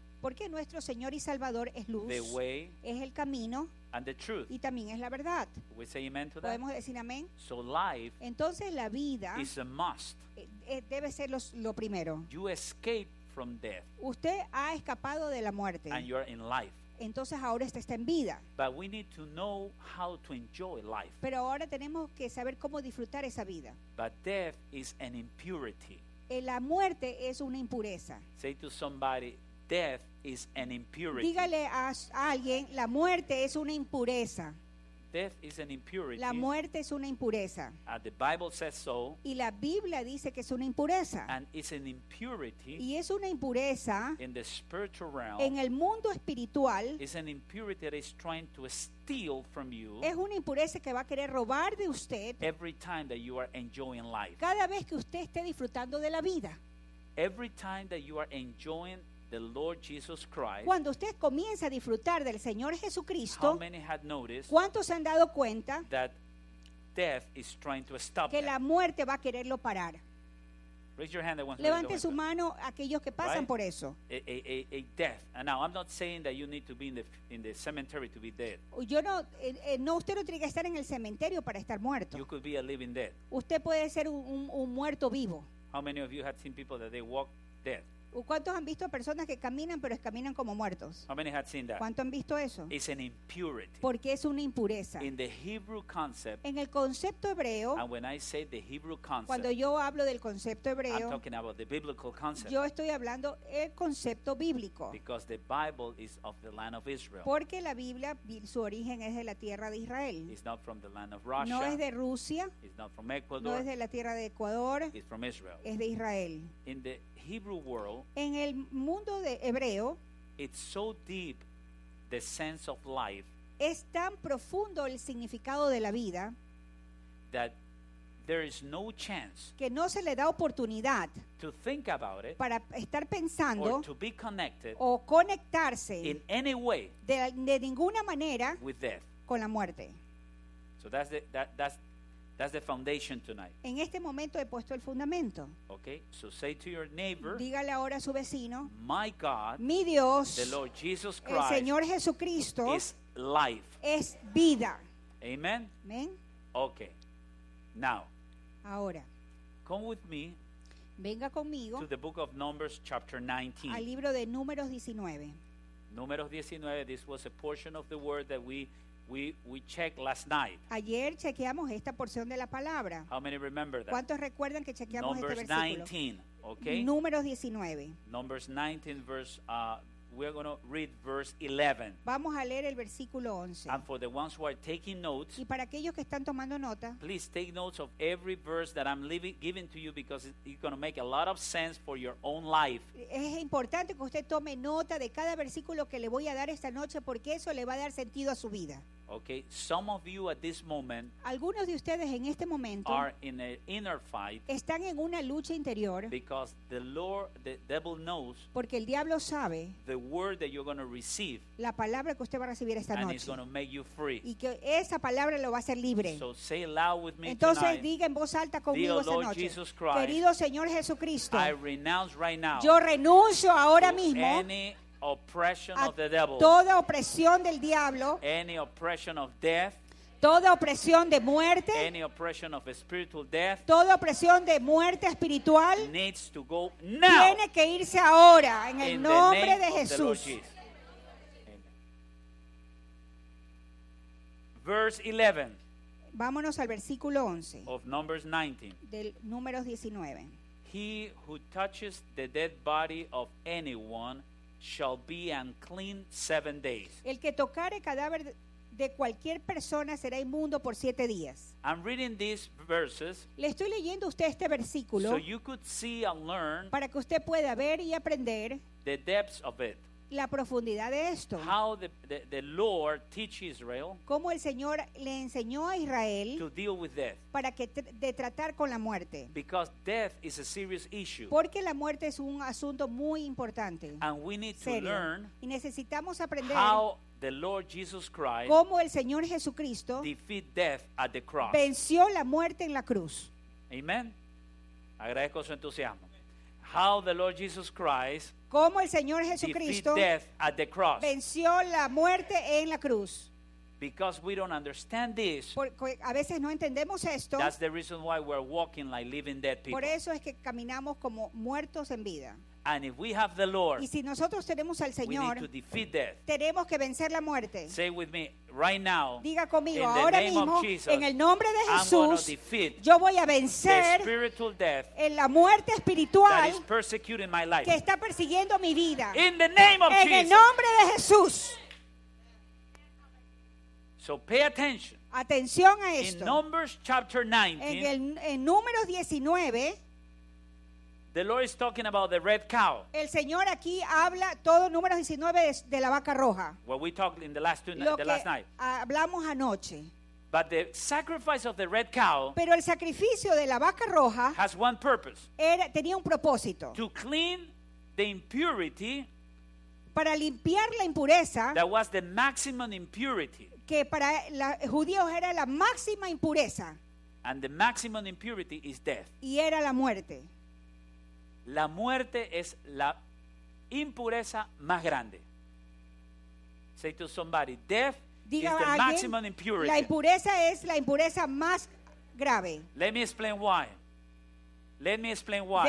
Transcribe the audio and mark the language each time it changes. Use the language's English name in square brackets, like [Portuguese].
[Spanish] Porque nuestro Señor y Salvador es luz. [English] The way. [Spanish] Es el camino. [English] And the truth. [Spanish] Y también es la verdad. [English] We say amen to [Spanish] ¿Podemos [English] that? [Spanish] Decir amén? [English] So life [Spanish] Entonces la vida [English] is a must. [Spanish] Debe ser lo primero. [English] You escape from death. [Spanish] Usted ha escapado de la muerte. [English] And you're in life. [Spanish] Entonces ahora usted está en vida. [English] But we need to know how to enjoy life. [Spanish] Pero ahora tenemos que saber cómo disfrutar esa vida. [English] But death is an impurity. [Spanish] La muerte es una impureza. [English] Say to somebody, death is an impurity. [Spanish] Dígale a alguien, la muerte es una impureza. [English] Death is an impurity. [Spanish] La muerte es una impureza. [English] The Bible says so. [Spanish] Y la Biblia dice que es una impureza. [English] And it's an impurity. [Spanish] Y es una impureza. [English] In the spiritual realm. [Spanish] En el mundo espiritual. [English] It's an impurity that is trying to steal from you. [Spanish] Es una impureza que va a querer robar de usted. [English] Every time that you are enjoying life. [Spanish] Cada vez que usted esté disfrutando de la vida. [English] Every time that you are enjoying the Lord Jesus Christ. [Spanish] Cuando usted comienza a disfrutar del Señor Jesucristo, [English] how many had noticed, [Spanish] ¿cuántos se han dado cuenta [English] that death is trying to stop [Spanish] que la muerte va a quererlo parar? [English] Raise your hand that wants [Spanish] Levante su mano aquellos que pasan [English] right? [Spanish] por eso. [English] A death. And now I'm not saying that you need to be in the cemetery to be dead. [Spanish] Yo no, no usted no tiene que estar en el cementerio para estar muerto. [English] You could be a living dead. [Spanish] Usted puede ser un muerto vivo. [English] How many of you had seen people that they walk dead? [Spanish] ¿Cuántos han visto personas que caminan pero caminan como muertos? [English] How many have seen that? [Spanish] ¿Cuántos han visto eso? [English] It's an impurity. [Spanish] Porque es una impureza. [English] In the Hebrew concept, [Spanish] en el concepto hebreo, [English] and when I say the Hebrew concept, [Spanish] cuando yo hablo del concepto hebreo, [English] I'm talking about the biblical concept, [Spanish] yo estoy hablando el concepto bíblico. [English] Because the Bible is of the land of Israel. [Spanish] Porque la Biblia, su origen es de la tierra de Israel. [English] It's not from the land of Russia. [Spanish] No es de Rusia. [English] It's not from Ecuador. [Spanish] No es de la tierra de Ecuador. [English] It's from Israel. [Spanish] Es de Israel. [English] In the Hebrew world, [Spanish] en el mundo de hebreo, [English] it's so deep, the sense of life, [Spanish] es tan profundo el significado de la vida [English] that there is no chance [Spanish] que no se le da oportunidad [English] to think about it [Spanish] para estar pensando [English] or to be connected [Spanish] o conectarse [English] in any way [Spanish] de ninguna manera [English] with death. [Spanish] Con la muerte. [English] So that's the foundation tonight. [Spanish] En este momento he puesto el fundamento. [English] Okay, so say to your neighbor. [Spanish] Dígale ahora a su vecino. [English] My God. [Spanish] Mi Dios. [English] The Lord Jesus Christ. [Spanish] El Señor Jesucristo. [English] Is life. [Spanish] Es vida. [English] Amen. Amen. Okay. Now. [Spanish] Ahora. [English] Come with me. [Spanish] Venga conmigo [English] to the book of Numbers, chapter 19. [Spanish] Al libro de Números 19. [English] Números 19, this was a portion of the word that we checked last night. [Spanish] Ayer chequeamos esta porción de la palabra. [English] How many remember that? [Spanish] ¿Cuántos recuerdan que chequeamos [English] Numbers [Spanish] este versículo? [English] 19, okay? [Spanish] Números 19. [English] Numbers 19, we're going to read verse 11. [Spanish] Vamos a leer el versículo 11. [English] And for the ones who are taking notes, [Spanish] y para aquellos que están tomando nota, [English] please take notes of every verse that I'm giving to you, because it's going to make a lot of sense for your own life. [Spanish] Es importante que usted tome nota de cada versículo que le voy a dar esta noche, porque eso le va a dar sentido a su vida. [English] Okay, some of you at this moment, [Spanish] algunos de ustedes en este momento, [English] are in an inner fight, [Spanish] están en una lucha interior, [English] because the Lord, the devil knows, [Spanish] porque el diablo sabe, [English] the word that you're going to receive, [Spanish] la palabra que usted va a recibir esta [English] and [Spanish] noche, [English] and it's going to make you free, [Spanish] y que esa palabra lo va a hacer libre. [English] So say loud with me. [Spanish] Entonces, [English] tonight, [Spanish] diga en voz alta conmigo [English] Lord [Spanish] esta noche, [English] Jesus Christ, [Spanish] querido Señor Jesucristo, [English] I renounce right now, [Spanish] yo renuncio ahora mismo, [English] any oppression of the devil, [Spanish] toda opresión del diablo, [English] any oppression of death, [Spanish] toda opresión de muerte, [English] any oppression of spiritual death, [Spanish] toda opresión de muerte espiritual, [English] needs to go now, [Spanish] tiene que irse ahora en el nombre de Jesús. [English] Verse 11, [Spanish] vámonos al versículo 11 [English] of Numbers 19, [Spanish] del Números 19. [English] He who touches the dead body of anyone shall be unclean 7 days. [Spanish] El que tocare cadáver de cualquier persona será inmundo por 7 días. [English] I'm reading these verses. [Spanish] Le estoy leyendo a usted este versículo. [English] So you could see and learn. [Spanish] Para que usted pueda ver y aprender. [English] The depths of it. [Spanish] La profundidad de esto. [English] How the Lord teach Israel. [Spanish] Cómo el Señor le enseñó a Israel. [English] To deal with death. [Spanish] Para que de tratar con la muerte. [English] Because death is a serious issue. [Spanish] Porque la muerte es un asunto muy importante. [English] And we need [Spanish] serio. [English] To learn. [Spanish] Y necesitamos aprender. [English] How the Lord Jesus Christ. [Spanish] Cómo el Señor Jesucristo. [English] Defeat death at the cross. [Spanish] Venció la muerte en la cruz. Amen. Agradezco su entusiasmo. [English] How the Lord Jesus Christ. [Spanish] Cómo el Señor Jesucristo [English] defeat death at the cross. [Spanish] Venció la muerte en la cruz. [English] Because we don't understand this. [Spanish] Porque a veces no entendemos esto. [English] That's the reason why we're walking like living dead people. [Spanish] Por eso es que caminamos como muertos en vida. [English] And if we have the Lord, [Spanish] y si nosotros tenemos al Señor, [English] we need to defeat death. [Spanish] Tenemos que vencer la muerte. [English] Say with me right now. [Spanish] Diga conmigo [English] in [Spanish] ahora [English] the name [Spanish] mismo [English] of Jesus, [Spanish] en el nombre de Jesús. [English] I'm gonna defeat [Spanish] yo voy a vencer [English] the spiritual death [Spanish] en la muerte espiritual [English] that is persecuting my life. [Spanish] Que está persiguiendo mi vida. [English] In the name of [Spanish] en [English] Jesus. [Spanish] El nombre de Jesús. [English] So pay attention. [Spanish] Atención a esto. [English] In Numbers chapter 19. [Spanish] En Números 19. [English] The Lord is talking about the red cow. [Spanish] El Señor aquí habla todo Números 19 de la vaca roja. [English] What we talked in the last two nights. [Spanish] Lo que [English] the last night. [Spanish] Hablamos anoche. [English] But the sacrifice of the red cow. [Spanish] Pero el sacrificio de la vaca roja. [English] Has one purpose. [Spanish] Tenía un propósito. [English] To clean the impurity. [Spanish] Para limpiar la impureza. [English] That was the maximum impurity. [Spanish] Que para los judíos era la máxima impureza. [English] And the maximum impurity is death. [Spanish] Y era la muerte. La muerte es la impureza más grande. [English] Say to somebody, death [Spanish] diga [English] is the [Spanish] alguien, [English] maximum impurity. [Spanish] La impureza es la impureza más grave. [English] Let me explain why. Let me explain why.